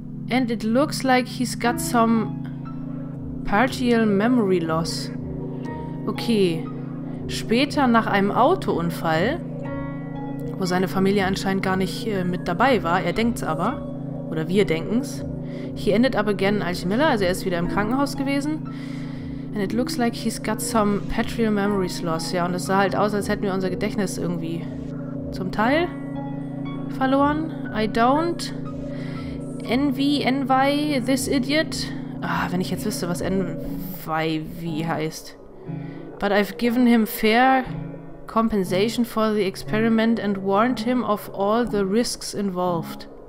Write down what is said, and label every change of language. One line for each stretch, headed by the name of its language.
English: And it looks like he's got some partial memory loss.
German: Okay, später nach einem Autounfall, wo seine Familie anscheinend gar nicht mit dabei war, er denkt's aber, oder wir denken's,
English: he ended up again in Alchemilla,
German: also er ist wieder im Krankenhaus gewesen.
English: And it looks like he's got some patrial memories lost.
German: Ja, und es sah halt aus, als hätten wir unser Gedächtnis irgendwie zum Teil verloren.
English: I don't envy this idiot.
German: Ah, wenn ich jetzt wüsste, was envy heißt.
English: But I've given him fair compensation for the experiment and warned him of all the risks involved.